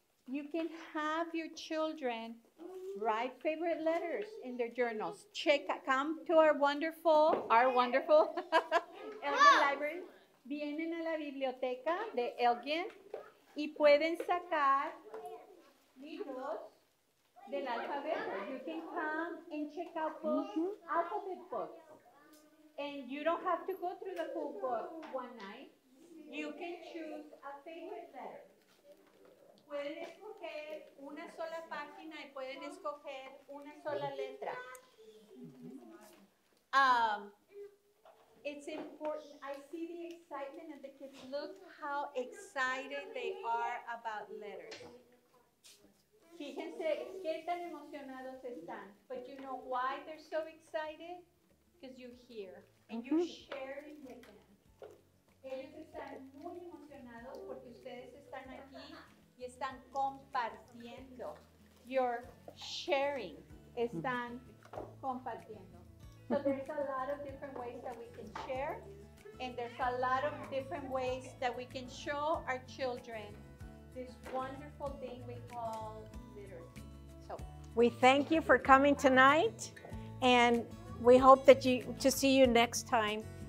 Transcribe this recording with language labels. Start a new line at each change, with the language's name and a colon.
English: You can have your children write favorite letters in their journals. Come to our wonderful Elgin Library.
Spanish: Vienen a la biblioteca de Elgin y pueden sacar libros. Del alphabet.
English: You can come and check out books, mm-hmm. Alphabet books. And you don't have to go through the whole book one night. You can choose a favorite letter.
Spanish: Pueden escoger una sola página y pueden escoger una sola letra.
English: It's important. I see the excitement of the kids. Look how excited they are about letters. Fíjense qué tan emocionados están. But you know why they're so excited? Because you hear and you share with them.
Spanish: Ellos están muy emocionados porque ustedes están aquí y están compartiendo.
English: You're sharing.
Spanish: Están compartiendo.
English: So there's a lot of different ways that we can share, and there's a lot of different ways that we can show our children this wonderful thing we call. We thank you for coming tonight, and we hope that you to see you next time.